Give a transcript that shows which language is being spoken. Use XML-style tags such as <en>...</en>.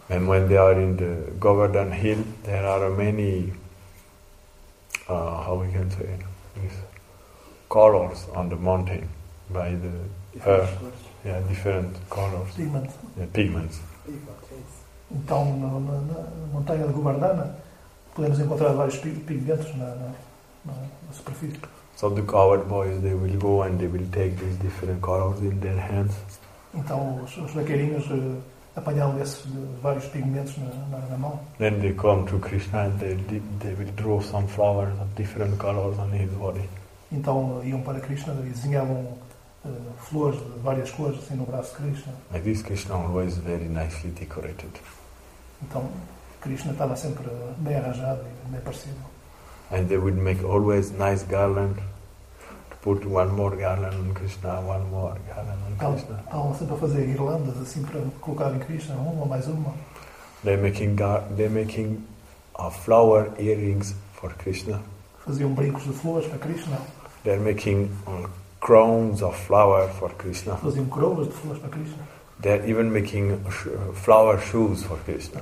<en>And when they are in the Govardhan Hill, there are many how we can say it, colors on the mountain by the different earth. Yeah, different colors. Pigments. Yeah, pigments.</en> <pt>Então, na montanha de Govardhana, podemos encontrar vários pigmentos na superfície.</pt> <en>So the coward boys, they will go and they will take these different colors in their hands.</en> <pt>Então, os vaqueirinhos apanhavam esses vários pigmentos na mão.</pt> <en>Then they come to Krishna and they will draw some flowers of different colors on his body.</en> <pt>Então, iam para Krishna e desenhavam flores de várias cores assim no braço de Krishna.</pt> <en>And this Krishna always very nicely decorated.</en> <pt>Então, Krishna estava sempre bem arranjado e bem parecido.</pt> <en>And they would make always nice garland to put one more garland on Krishna, one more garland on Krishna.</en> <pt>Estavam sempre a fazer guirlandas assim para colocar em Krishna, uma mais uma.</pt> <en>They're making a flower earrings for Krishna.</en> <pt>Faziam brincos de flores para Krishna.</pt> <en>They're making crowns of flower for Krishna.</en> <pt>Faziam coroas de flores para Krishna.</pt> <en>They're even making flower shoes for Krishna.</en>